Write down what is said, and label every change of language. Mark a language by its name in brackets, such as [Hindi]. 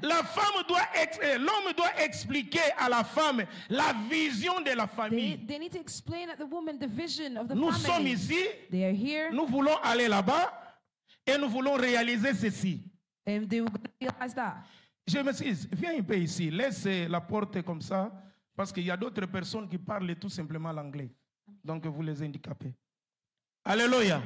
[French] La femme doit l'homme doit expliquer à la femme la vision de la famille. [English] They need to explain to the woman the vision of the [French] nous [English] family. [French] Nous sommes ici. [English] They are here. [French] Nous voulons aller là-bas et nous voulons réaliser ceci. [English] And they will realize that. [French] Je m'excuse, viens un peu ici. Laisse la porte comme ça parce qu'il y a d'autres personnes qui parlent tout simplement l'anglais. Donc vous les handicapez. Alléluia.